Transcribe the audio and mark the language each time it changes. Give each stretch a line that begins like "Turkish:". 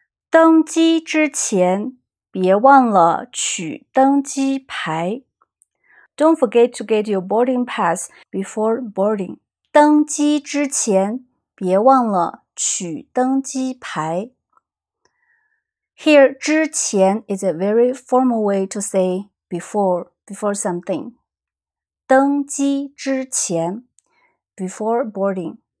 Chinese: 登机之前别忘了取登机牌。
English: Don't forget to get your boarding pass before boarding.
Chinese: 登机之前别忘了取登机牌。
English: Here, 之前 is a very formal way to say before something. 登机之前 before boarding.